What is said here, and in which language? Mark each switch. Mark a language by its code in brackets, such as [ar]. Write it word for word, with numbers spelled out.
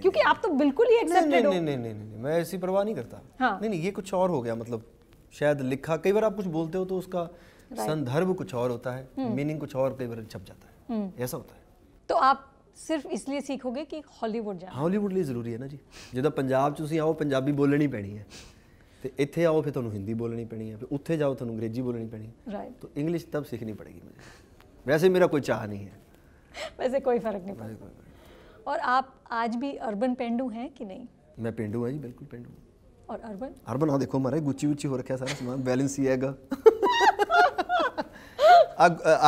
[hi] क्योंकि आप तो बिल्कुल ही एक्सेप्टेड हो। नहीं नहीं नहीं नहीं मैं ऐसी परवाह नहीं करता। हाँ। नहीं नहीं ये कुछ और हो गया, मतलब शायद लिखा। कई बार आप कुछ बोलते हो तो उसका संदर्भ कुछ और होता है, मीनिंग कुछ और कई बार छप जाता है, ऐसा होता है। तो आप सिर्फ इसलिए सीखोगे कि हॉलीवुड जाना? [pa] ਹੌਲੀਵੁੱਡ ਲਈ ਜ਼ਰੂਰੀ ਹੈ ਨਾ ਜੀ। ਜਦੋਂ ਪੰਜਾਬ 'ਚ ਤੁਸੀਂ ਆਓ ਪੰਜਾਬੀ ਬੋਲਣੀ ਪੈਣੀ ਹੈ, ਤੇ ਇੱਥੇ ਆਓ ਫਿਰ ਤੁਹਾਨੂੰ ਹਿੰਦੀ ਬੋਲਣੀ ਪੈਣੀ ਹੈ, ਫਿਰ ਉੱਥੇ ਜਾਓ ਤੁਹਾਨੂੰ ਅੰਗਰੇਜ਼ੀ ਬੋਲਣੀ ਪੈਣੀ ਹੈ। [en] Right. [hi] तो इंग्लिश तब सीखनी पड़ेगी मुझे। वैसे मेरा कोई चाह नहीं है। वैसे कोई फर्क नहीं वैसे पड़ता। कोई फर्क और आप आज भी अर्बन पेंडू हैं कि नहीं? नहीं। मैं पेंडू हूँ जी, बिल्कुल पेंडू हूँ। और अर्बन अरबन आओ देखो हमारे गुच्ची उच्ची हो रखा है सारा सामान, बैलेंस ही हैगा।